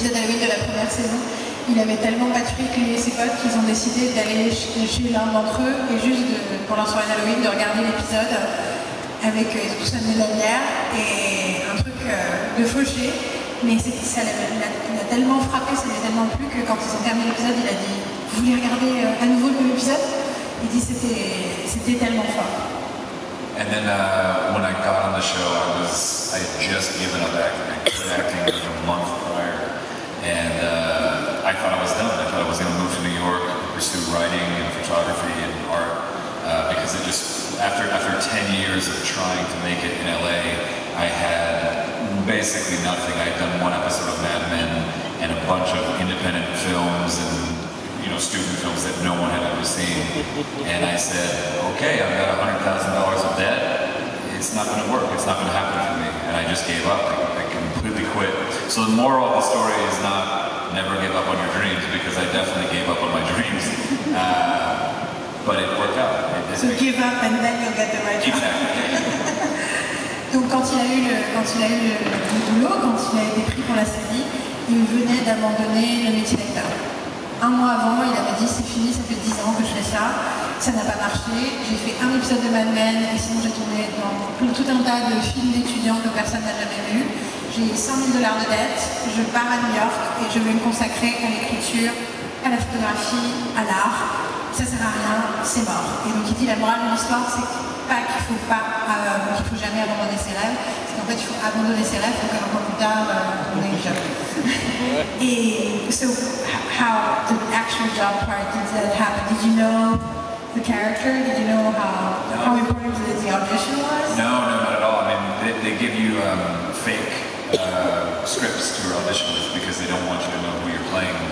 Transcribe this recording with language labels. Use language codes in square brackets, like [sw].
[fr] L'épisode d'Halloween de la première saison, il avait tellement battu que lui et ses potes qu'ils ont décidé d'aller chez l'un d'entre eux et juste pour leur soirée d'Halloween de regarder l'épisode avec tout ça de la bière et un truc de fauché. Mais ça l'a tellement frappé, ça l'a tellement plu que quand ils ont terminé l'épisode, il a dit « Vous voulez regarder à nouveau l'épisode ?» Il dit c'était tellement fort. [en] And then when I got on the show, I had just given up acting like a month prior. And I thought I was done. I thought I was going to move to New York and pursue writing and photography and art. Because it just, after 10 years of trying to make it in LA, I had basically nothing. I had done one episode of Mad Men and a bunch of independent films and, you know, stupid films that no one had ever seen. And I said, okay, I've got $100,000 of debt. It's not going to work. It's not going to happen for me. And I just gave up. I completely quit. So the moral of the story is not never give up on your dreams, because I definitely gave up on my dreams. But it worked out. So give up and then you'll get the right job. Exactly. [fr] Donc quand il a été pris pour la série, il venait d'abandonner le métier d'acteur. Un mois avant, il avait dit, c'est fini, ça fait 10 ans que je fais ça, ça n'a pas marché, j'ai fait un épisode de Mad Men, et sinon j'ai tourné dans tout un tas de films d'étudiants que personne n'a jamais vu. J'ai $100,000 de dettes, je pars à New York, et je vais me consacrer à l'écriture, à la photographie, à l'art. Ça sert à rien, c'est mort. Et donc il dit, la morale de l'histoire, c'est pas qu'il faut pas, qu'il faut jamais abandonner ses rêves, c'est qu'en fait, il faut abandonner ses rêves pour qu'un mois plus tard, on ait une job. [en] How the actual job part, did that happen? Did you know the character? Did you know how important the audition was? No, not at all. I mean, they give you fake scripts to audition with because they don't want you to know who you're playing.